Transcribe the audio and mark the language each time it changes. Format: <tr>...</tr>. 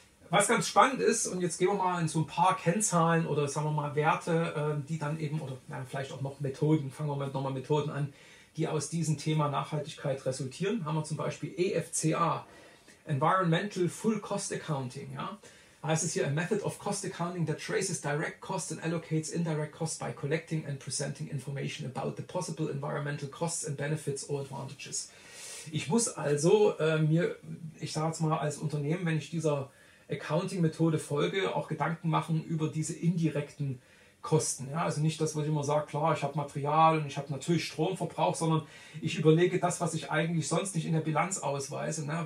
<de>Was ganz spannend ist, und jetzt gehen wir mal in so ein paar Kennzahlen oder sagen wir mal Werte, die dann eben, oder ja, vielleicht auch noch Methoden, fangen wir mal nochmal Methoden an, die aus diesem Thema Nachhaltigkeit resultieren, haben wir zum Beispiel EFCA, Environmental Full Cost Accounting. Ja? Heißt es hier,</de> <en>a method of cost accounting that traces direct costs and allocates indirect costs by collecting and presenting information about the possible environmental costs and benefits or advantages.</en> <de>Ich muss also als Unternehmen, wenn ich dieser Accounting-Methode folge, auch Gedanken machen über diese indirekten Kosten. Ja? Also nicht das, was ich immer sage, klar, ich habe Material und ich habe natürlich Stromverbrauch, sondern ich überlege das, was ich eigentlich sonst nicht in der Bilanz ausweise, ne?</de>